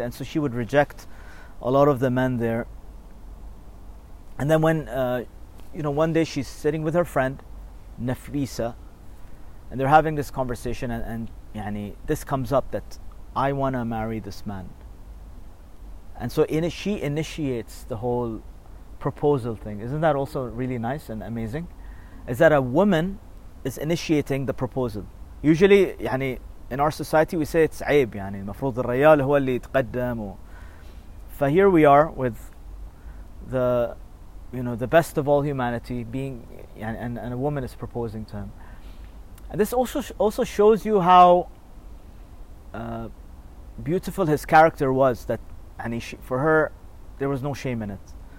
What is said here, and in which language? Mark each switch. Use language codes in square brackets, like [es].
[en] And so she would reject a lot of the men there. And then when you know, one day she's sitting with her friend Nafisa, and they're having this conversation, and yani, this comes up that I want to marry this man. And so she initiates the whole proposal thing. Isn't that also really nice and amazing? Is that a woman is initiating the proposal. Usually, yani, in our society, we say it's عيب. [ar] يعني المفروض الرجال هو اللي يتقدم. [en] فهere we are with the, you know, the best of all humanity being, and a woman is proposing to him. And this also shows you how beautiful his character was, that for her, there was no shame in it.